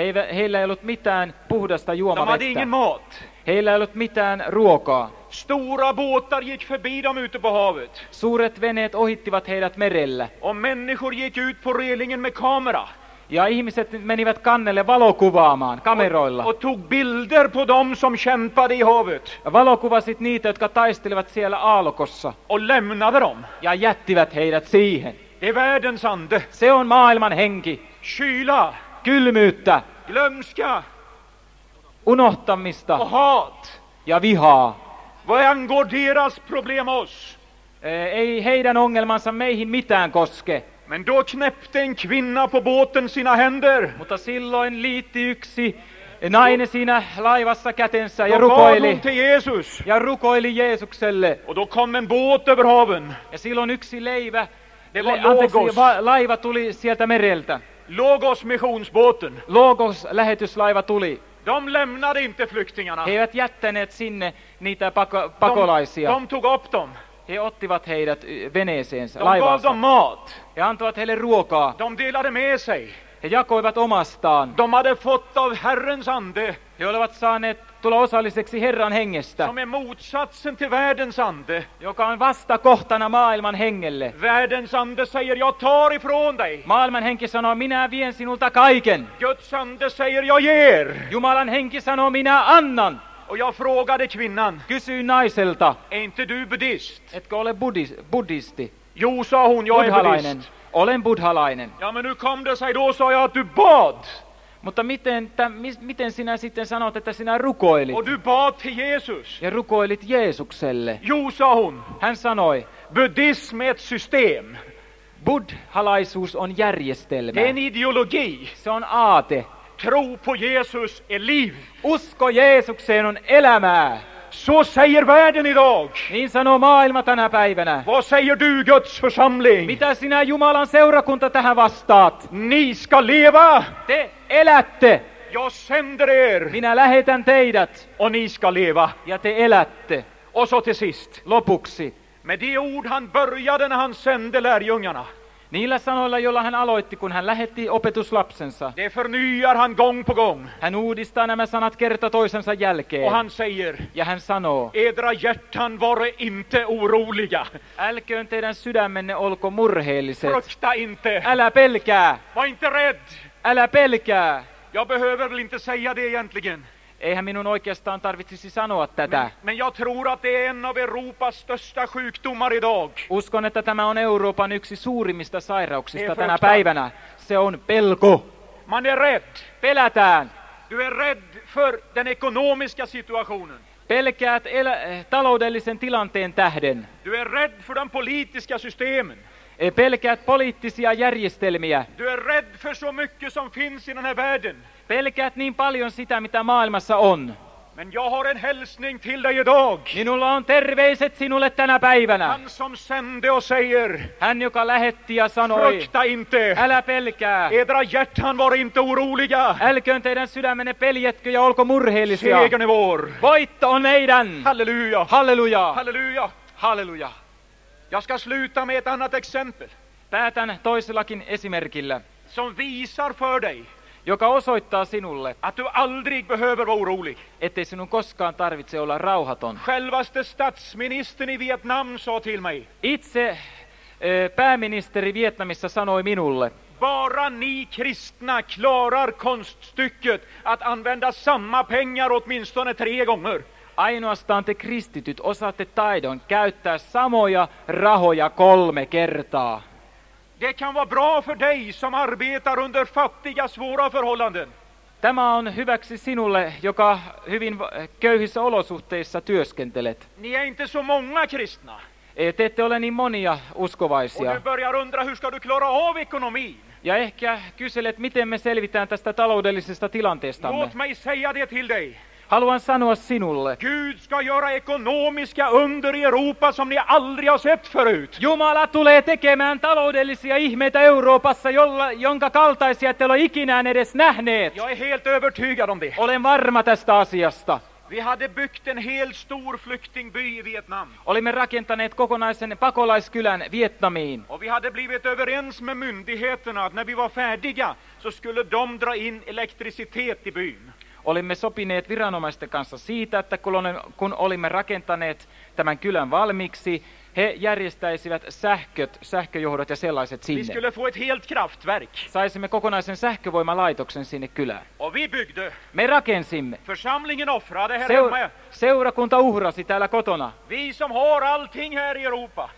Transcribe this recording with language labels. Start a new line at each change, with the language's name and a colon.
Finnish: Heillä ei ollut mitään puhdasta juomavettä.
Swedish: De hade ingen mat.
Finnish: Heillä ei ollut mitään ruokaa.
Swedish: Stora båtar gick förbi dem ute på havet.
Finnish: Suuret veneet ohittivat heidät merellä.
Swedish: Och människor gick ut på relingen med kamera.
Finnish: Ja ihmiset menivät kannelle valokuvaamaan kameroilla.
Swedish: Och tog bilder på dem som kämpade i havet.
Finnish: Valokuvasit niitä, jotka taistelivat siellä aallokossa.
Swedish: Och lämnade dem.
Finnish: Ja jättivät heidät siihen.
Swedish: Det är världens ande.
Finnish: Se on maailman henki.
Swedish: Kyla.
Finnish: Kylmyyttä.
Swedish: Glömska.
Finnish: Unohtamista.
Swedish: Och hat.
Finnish: Ja vihaa.
Swedish: Vad angår deras problem oss?
Finnish: Ei heidän ongelmansa meihin mitään koske.
Swedish: Men då knäppte en kvinna på båten sina händer.
Finnish: Mutta silloin liitti yksi nainen siinä laivassa kätensä ja rukoili.
Swedish: Då bad hon till Jesus.
Finnish: Ja rukoili Jeesukselle.
Swedish: Och då kom en båt över haven.
Finnish: Ja silloin yksi leivä.
Swedish: Det var Logos.
Finnish: Laiva tuli sieltä mereltä.
Swedish: Logos missionsbåten.
Finnish: Logos lähetyslaiva tuli.
Swedish: De lämnade inte flyktingarna.
Finnish: He eivät jättäneet sinne niitä pakolaisia.
Swedish: De tog upp dem.
Finnish: He ottivat heidät veneeseensä,
Swedish: de
Finnish: laivaansa.
Swedish: Mat.
Finnish: He antoivat heille ruokaa.
Swedish: De delade med sig.
Finnish: He jakoivat omastaan.
Swedish: De hade fått av Herrens ande.
Finnish: He olivat saaneet tulla osalliseksi Herran hengestä.
Swedish: Som är motsatsen till världens ande.
Finnish: Joka on vastakohtana maailman hengelle.
Swedish: Världens ande säger, jag tar ifrån dig.
Finnish: Maailman henki sanoo, minä vien sinulta kaiken.
Swedish: Guds ande säger, jag ger.
Finnish: Jumalan henki sanoo, minä annan.
Swedish: Och jag frågade kvinnan.
Finnish: Kysyi naiselta.
Swedish: Är inte du buddhist?
Finnish: Etkö ole buddhisti?
Swedish: Jo, sa hon, jag är buddhist.
Finnish: Olen buddhalainen.
Swedish: Ja, men hur kom det sig då, sa jag, att du bad?
Finnish: Mutta miten sinä sitten sanot, että sinä rukoilit?
Swedish: Och du bad till Jesus.
Finnish: Ja rukoilit Jeesukselle.
Swedish: Jo, sa hon.
Finnish: Hän sanoi.
Swedish: Buddhism är ett system.
Finnish: Buddhalaisuus on järjestelmä.
Swedish: Det är en ideologi.
Finnish: Se on aate.
Swedish: Tro på Jesus är liv.
Finnish: Usko Jeesukseen on elämää.
Swedish: Så säger världen idag.
Finnish: Niin sanoo maailma tänä päivänä.
Swedish: Vad säger du, Guds församling?
Finnish: Mitä sinä Jumalan seurakunta tähän vastaat?
Swedish: Ni ska leva.
Finnish: Te elätte.
Swedish: Jag sänder er.
Finnish: Minä lähetän teidät.
Swedish: Och ni ska leva.
Finnish: Ja te elätte.
Swedish: Och så till sist.
Finnish: Lopuksi.
Swedish: Med de ord han började när han sände lärjungarna.
Finnish: Niillä sanoilla, jolla hän aloitti, kun hän lähetti opetuslapsensa.
Swedish: Det förnyar han gång på gång.
Finnish: Hän uudistaa nämä sanat kerta toisensa jälkeen.
Swedish: Och han säger,
Finnish: ja hän sanoo.
Swedish: Edra hjärtan vare inte oroliga.
Finnish: Älköön teidän sydämenne olko murheelliset.
Swedish: Frukta inte.
Finnish: Älä pelkää.
Swedish: Var inte rädd.
Finnish: Älä pelkää.
Swedish: Jag behöver väl inte säga det egentligen.
Finnish: Eihän minun oikeastaan tarvitsisi sanoa tätä.
Swedish: Men jag tror att det är en av Europas största sjukdomar idag.
Finnish: Uskon, että tämä on Euroopan yksi suurimmista sairauksista tänä päivänä. Se on pelko.
Swedish: Man är rädd.
Finnish: Pelätään.
Swedish: Du är rädd för den ekonomiska situationen.
Finnish: Pelkäät taloudellisen tilanteen tähden.
Swedish: Du är rädd för den politiska systemen.
Finnish: Pelkäät poliittisia järjestelmiä.
Swedish: Du är rädd för så mycket som finns i den här världen.
Finnish: Pelkäät niin paljon sitä, mitä maailmassa on.
Swedish: Men jag har en hälsning till dig idag.
Finnish: Minulla on terveiset sinulle tänä päivänä.
Swedish: Han som sände och säger.
Finnish: Hän, joka lähetti ja sanoi.
Swedish: Frukta inte.
Finnish: Älä pelkää.
Swedish: Edra hjärtan var inte oroliga.
Finnish: Älköön teidän sydämenne peljetkö ja olko murheellisia.
Swedish: Segerne vår.
Finnish: Voitto on meidän.
Swedish: Halleluja.
Finnish: Halleluja.
Swedish: Halleluja.
Finnish: Halleluja.
Swedish: Jag ska sluta med ett annat exempel.
Finnish: Päätän toisellakin esimerkillä.
Swedish: Som visar för dig.
Finnish: Joka osoittaa sinulle,
Swedish: att du aldrig behöver vara orolig.
Finnish: Ettei sinun koskaan tarvitse olla rauhaton.
Swedish: Självaste statsministern i Vietnam sa till mig.
Finnish: Itse pääministeri Vietnamissa sanoi minulle.
Swedish: Bara ni kristna klarar konststycket att använda samma pengar åtminstone tre gånger.
Finnish: Ainoastaan te kristityt osaatte taidon käyttää samoja rahoja 3 kertaa.
Swedish: Det kan vara bra för dig som arbetar under fattiga svåra förhållanden.
Finnish: Tämä on hyväksi sinulle, joka hyvin köyhissä olosuhteissa työskentelet.
Swedish: Ni är inte så många kristna.
Finnish: Te ette ole niin monia uskovaisia.
Swedish: Och du börjar undra hur ska du klara av ekonomin.
Finnish: Ja ehkä kyselet, miten me selvitään tästä taloudellisesta tilanteestamme.
Swedish: Låt mig säga det till dig.
Finnish: Haluan sanoa sinulle.
Swedish: Gud ska göra ekonomiska under i Europa som ni aldrig har sett förut.
Finnish: Jumala tulee tekemään taloudellisia ihmeitä Euroopassa, jonka kaltaisia te ole ikinään edes nähneet.
Swedish: Jag är helt övertygad om det.
Finnish: Olen varma tästä asiasta.
Swedish: Vi hade byggt en helt stor flyktingby i Vietnam.
Finnish: Olimme rakentaneet kokonaisen pakolaiskylän Vietnamiin.
Swedish: Och vi hade blivit överens med myndigheterna att när vi var färdiga så skulle de dra in elektricitet i byn.
Finnish: Olimme sopineet viranomaisten kanssa siitä, että kun olimme rakentaneet tämän kylän valmiiksi, he järjestäisivät sähköjohdot ja sellaiset sinne.
Swedish: Vi skulle få ett helt kraftverk.
Finnish: Saisimme kokonaisen sähkövoimalaitoksen sinne kylään.
Swedish: Och vi byggde.
Finnish: Me rakensimme.
Swedish: Församlingen offrade här hemma.
Finnish: Seurakunta uhrasi täällä kotona.
Swedish: Vi som har allting här i Europa.